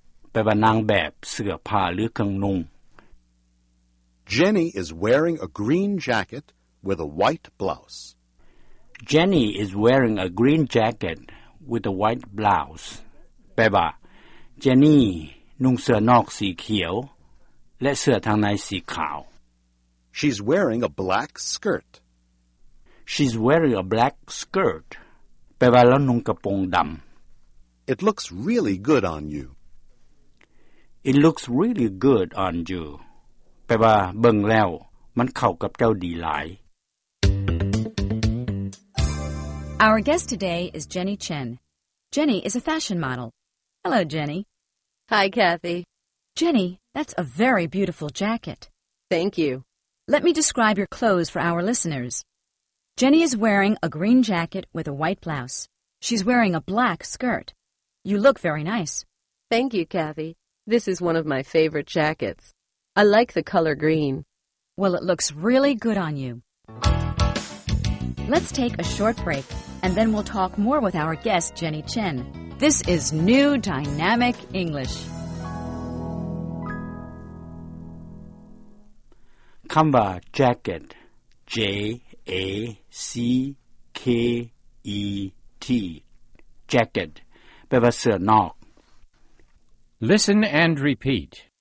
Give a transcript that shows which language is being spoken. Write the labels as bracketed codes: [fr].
[th] แปลว่านางแบบเสื้อผ้าหรือเครื่องนุ่ง [en] Jenny is wearing a green jacket with a white blouse Jenny is wearing a green jacket with a white blouse. [th] แปลว่า Jenny นุ่งเสื้อนอกสีเขียวและเสื้อทางในสีขาว [en] She's wearing a black skirt. She's wearing a black skirt. [th] แปลว่าแล้วนุ่งกระโปรงดำ [en] It looks really good on you. It looks really good on you. [th] แปลว่าเบิ่งแล้วมันเข้ากับเจ้าดีหลาย [en] Our guest today is Jenny Chen. Jenny is a fashion model. Hello, Jenny. Hi, Kathy. Jenny, that's a very beautiful jacket. Thank you. Let me describe your clothes for our listeners. Jenny is wearing a green jacket with a white blouse. She's wearing a black skirt. You look very nice. Thank you, Kathy. This is one of my favorite jackets. I like the color green. Well, it looks really good on you. Let's take a short break, and then we'll talk more with our guest, Jenny Chen. This is New Dynamic English. Kamba jacket, J-A-C-K-E-T, jacket, [th] แปลว่าเสื้อนอก [en] Listen and repeat.